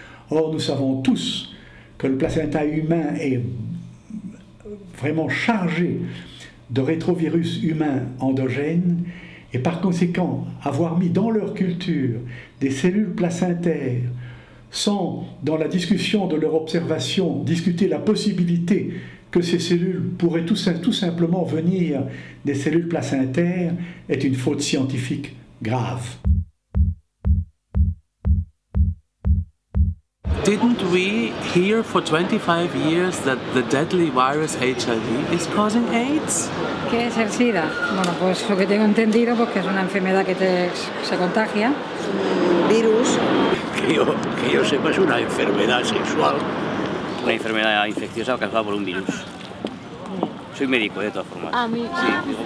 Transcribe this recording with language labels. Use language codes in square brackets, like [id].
[fr] Or, nous savons tous que le placenta humain est vraiment chargé de rétrovirus humains endogènes, et par conséquent, avoir mis dans leur culture des cellules placentaires sans, dans la discussion de leur observation, discuter la possibilité que ces cellules pourraient tout simplement venir des cellules placentaires, est une faute scientifique grave. [en] Didn't we hear for 25 years that the deadly virus HIV is causing AIDS? [es] ¿Qué es el SIDA? Bueno, pues lo que tengo entendido es que es una enfermedad que se contagia. Virus. Que yo sepa, es una enfermedad sexual. Una enfermedad infecciosa causada por un virus. Soy médico, de todas formas. A mí, sí.